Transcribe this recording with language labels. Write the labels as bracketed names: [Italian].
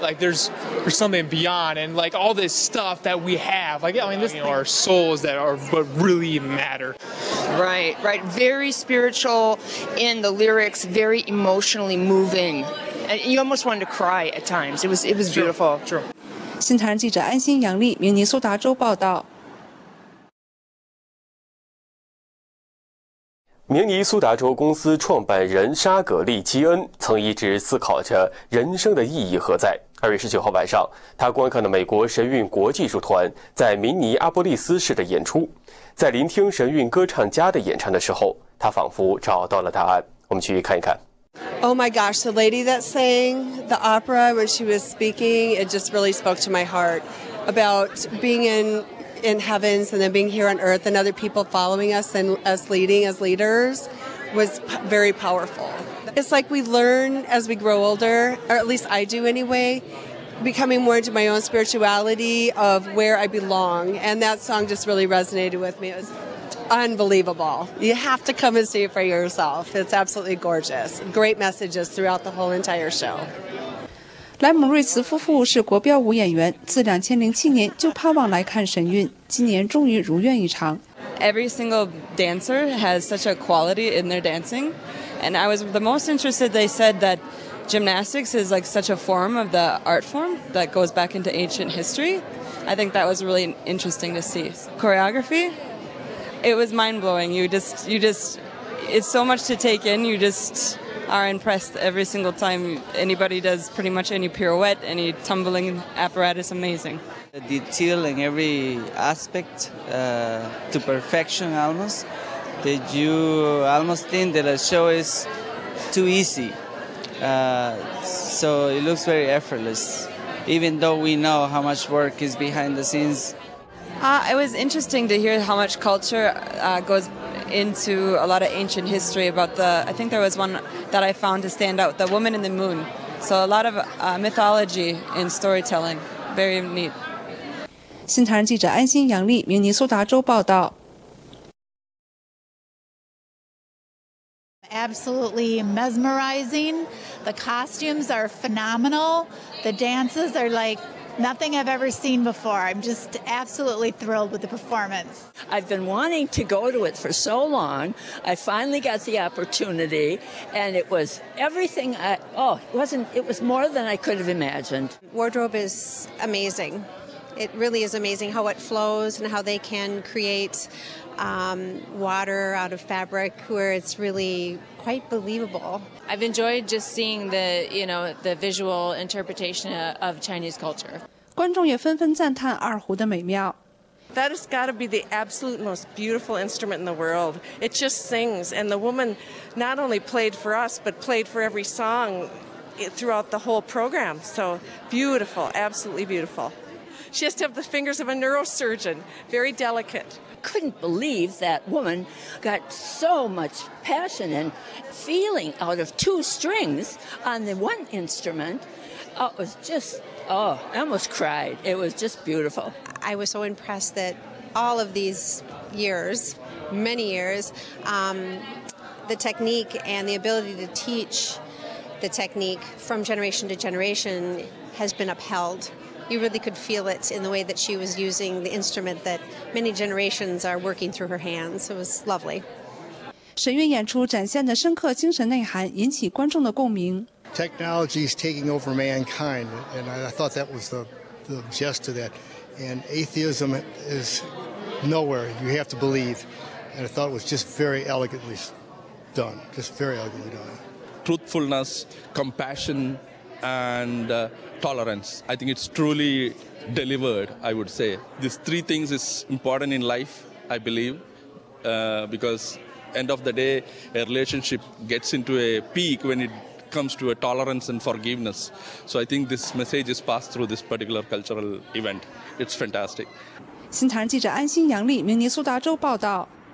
[English] Like, there's something beyond, and like all this stuff that we have. Like, I mean, this, you know, our souls that are what really matter. Right, right. Very spiritual in the lyrics, very emotionally moving. And you almost wanted to cry at times. It was beautiful. True. [Chinese] 新唐人记者安心杨丽，明尼苏达州报道。明尼苏达州公司创办人沙格利·基恩曾一直思考着人生的意义何在。2月19号晚上，他观看了美国神韵国际艺术团在明尼阿波利斯市的演出，在聆听神韵歌唱家的演唱的时候，他仿佛找到了答案。我们去看一看。 [English] Oh my gosh, the lady that sang the opera when she was speaking, it just really spoke to my heart about being in heavens and then being here on earth and other people following us and us leading as leaders was very powerful. It's like we learn as we grow older, or at least I do anyway, becoming more into my own spirituality of where I belong. And that song just really resonated with me. It was unbelievable. You have to come and see it for yourself. It's absolutely gorgeous. Great messages throughout the whole entire show. [Chinese] 莱姆瑞茨夫妇是国标舞演员，自2007年就盼望来看神韵，今年终于如愿以偿。 [English] Every single dancer has such a quality in their dancing, and I was the most interested. They said that gymnastics is like such a form of the art form that goes back into ancient history. I think that was really interesting to see. Choreography, it was mind blowing. You just, it's so much to take in. You just are impressed every single time anybody does pretty much any pirouette, any tumbling apparatus. Amazing. Detail in every aspect, to perfection almost, that you almost think that a show is too easy. So it looks very effortless, even though we know how much work is behind the scenes. It was interesting to hear how much culture goes into a lot of ancient history about the, I think there was one that I found to stand out, the woman in the moon. So a lot of mythology and storytelling, very neat. [Chinese] 新唐人记者安心杨丽，明尼苏达州报道。 [English] Absolutely mesmerizing. The costumes are phenomenal. The dances are like nothing I've ever seen before. I'm just absolutely thrilled with the performance. I've been wanting to go to it for so long. I finally got the opportunity, and it was everything it was more than I could have imagined. Wardrobe is amazing. It really is amazing how it flows and how they can create water out of fabric where it's really quite believable. I've enjoyed just seeing the visual interpretation of Chinese culture. [Chinese] 观众也纷纷赞叹二胡的美妙。 [English] That has got to be the absolute most beautiful instrument in the world. It just sings, and the woman not only played for us, but played for every song throughout the whole program. So beautiful, absolutely beautiful. She has to have the fingers of a neurosurgeon, very delicate. Couldn't believe that woman got so much passion and feeling out of two strings on the one instrument. It was just, I almost cried. It was just beautiful. I was so impressed that all of these years, many years, the technique and the ability to teach the technique from generation to generation has been upheld. You really could feel it in the way that she was using the instrument that many generations are working through her hands. It was lovely. [Chinese] 神韵演出展现的深刻精神内涵引起观众的共鸣。 [English] Technology is taking over mankind, and I thought that was the gist of that. And atheism is nowhere. You have to believe. And I thought it was just very elegantly done, just very elegantly done. Truthfulness, compassion,and tolerance. I think it's truly delivered, I would say. These three things is important in life, I believe, because end of the day, a relationship gets into a peak when it comes to a tolerance and forgiveness. So I think this message is passed through this particular cultural event. It's fantastic. [Chinese] 新唐人记者安心杨丽，明尼苏达州报道。